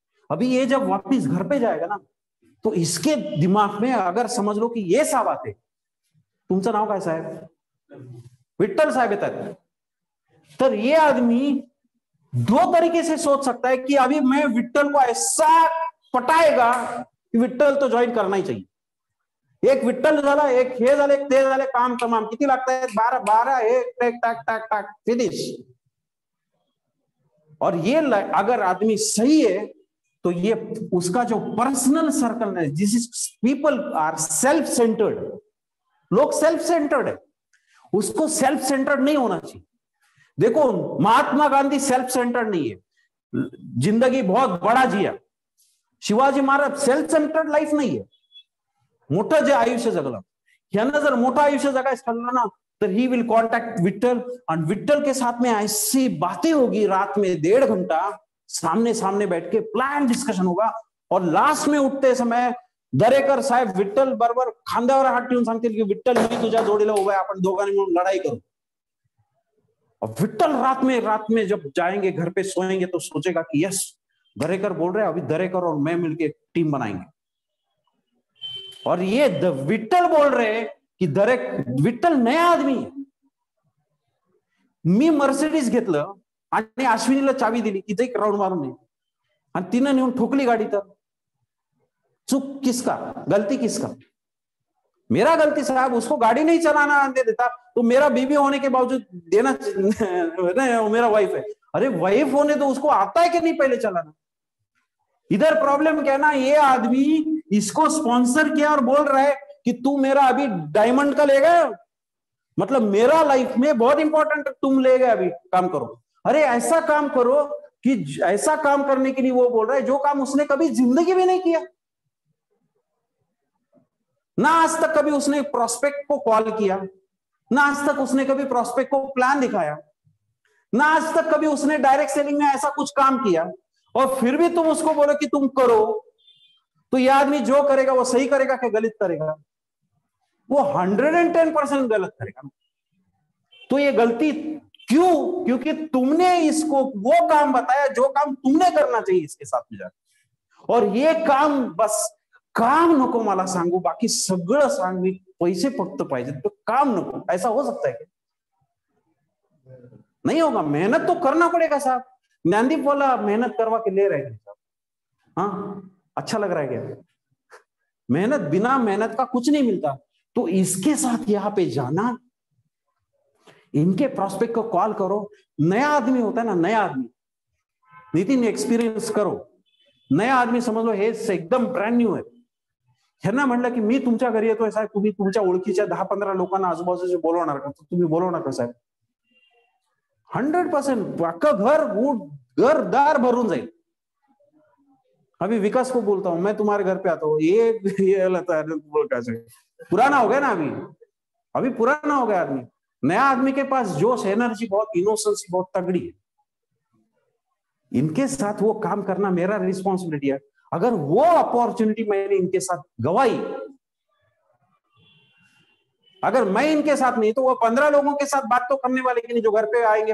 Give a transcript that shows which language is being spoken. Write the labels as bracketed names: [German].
[Hindi] अभी ये जब वापिस घर पे जाएगा ना, तो इसके दिमाग में अगर समझ लो कि ये साहब आते, [Marathi] तुमचं नाव काय साहेब? विठ्ठल साहेब येतात. [Hindi] तर ये आदमी दो तरीके से सोच सकता है कि अभी मैं विठ्ठल को ऐसा पटाएगा कि विठ्ठल तो ज्वाइन करना ही चाहिए. [Marathi] एक विठ्ठल झाला, एक हे झाले, ते झाले, काम तमाम किती लागतं आहे, 12-12 एक tack tack tack tack finish. [Hindi] और ये अगर आदमी सही है तो ये उसका जो पर्सनल सर्कल है, जिस पीपल आर सेल्फ सेंटर्ड, लोग सेल्फ सेंटर्ड है, उसको सेल्फ सेंटर्ड नहीं होना चाहिए. देखो महात्मा गांधी सेल्फ सेंटर्ड नहीं है, जिंदगी बहुत बड़ा जिया. Shivaji Maharaj self centred life नहीं है, [Marathi] मोठं जे आयुष्य जगलं. ह्यानं जर मोठं आयुष्य जगायचं ठरलं ना, तर ही विल कॉन्टॅक्ट विठ्ठल आणि विठ्ठल [Hindi] के साथ में ऐसी बातें होगी, रात में 1.5 घंटा सामने सामने बैठ के प्लान डिस्कशन होगा. और लास्ट में उठते समय दरेकर साहेब [Marathi] विठ्ठल बरोबर खांद्यावर हात ठेवून सांगतील की विठ्ठल मी तुझ्या जोडीला उभा आहे, आपण दोघांनी मिळून लढाई करू. [Hindi] और विठ्ठल रात में जब जाएंगे घर पे सोएंगे तो सोचेगा कि यस दरेकर बोल रहे, अभी दरेकर और मैं मिलकर टीम बनाएंगे. और ये विठ्ठल बोल रहे कि दरेक विठ्ठल नया आदमी है. [Marathi] मी मर्सिडीज घेतलं आणि अश्विनीला चावी दिली की एक राऊंड मारून ये, आणि तिनं नेऊन ठोकली गाडी. [Hindi] तर चूक किसका, गलती किसका? मेरा गलती साहब, उसको गाड़ी नहीं चलाना दे देता तो मेरा बीबी होने के बावजूद देना वो मेरा वाइफ है. अरे वाइफ होने तो उसको आता है कि नहीं पहले चलाना. इधर प्रॉब्लम क्या है ना, ये आदमी इसको स्पॉन्सर किया और बोल रहा है कि तू मेरा अभी डायमंड का लेगा, मतलब मेरा लाइफ में बहुत इंपॉर्टेंट, तुम ले गए अभी काम करो. अरे ऐसा काम करो कि ऐसा काम करने के लिए वो बोल रहा है जो काम उसने कभी जिंदगी में नहीं किया ना. आज तक कभी उसने प्रोस्पेक्ट को कॉल किया ना, आज तक उसने कभी प्रोस्पेक्ट को प्लान दिखाया ना, आज तक कभी उसने डायरेक्ट सेलिंग में ऐसा कुछ काम किया. और फिर भी तुम उसको बोलो कि तुम करो, तो यह आदमी जो करेगा वो सही करेगा कि गलत करेगा? वो 110% गलत करेगा. तो ये गलती क्यों? क्योंकि तुमने इसको वो काम बताया जो काम तुमने करना चाहिए इसके साथ में जाकर. और ये काम, बस [Marathi] काम नको मला सांगू, बाकी सगळं सांग, मी पैसे फक्त पाहिजे, तो काम नको. [Hindi] ऐसा हो सकता है क्या? नहीं होगा. मेहनत तो करना पड़ेगा साहब. ज्ञानदीप वाला मेहनत करवा के ले रहे हैं साहब. हाँ अच्छा लग रहा है क्या? मेहनत, बिना मेहनत का कुछ नहीं मिलता. तो इसके साथ यहाँ पे जाना, इनके प्रोस्पेक्ट को कॉल करो. नया आदमी होता है ना, नया आदमी नितिन एक्सपीरियंस करो. नया आदमी समझ लो, [Marathi] हे एकदम ब्रँड न्यू आहे ना. म्हणलं की मी तुमच्या घरी येतोय साहेब, तुम्ही तुमच्या ओळखीच्या 10-15 लोकांना आजूबाजूचे बोलवणार का? तुम्ही बोलवणार का साहेब? 100% पक्का घर घर दार भरून जाईल. [Hindi] अभी विकास को बोलता हूं, मैं तुम्हारे घर पे आता हूँ, ये बोलता है. पुराना हो गया ना, अभी पुराना हो गया आदमी. नया आदमी के पास जोश, एनर्जी बहुत, इनोसेंस बहुत तगड़ी है. इनके साथ वो काम करना मेरा रिस्पॉन्सिबिलिटी है. अगर वो अपॉर्चुनिटी मैंने इनके साथ गवाई, अगर मैं इनके साथ नहीं, तो वो 15 लोगों के साथ बात तो करने वाले की नहीं जो घर पे आएंगे.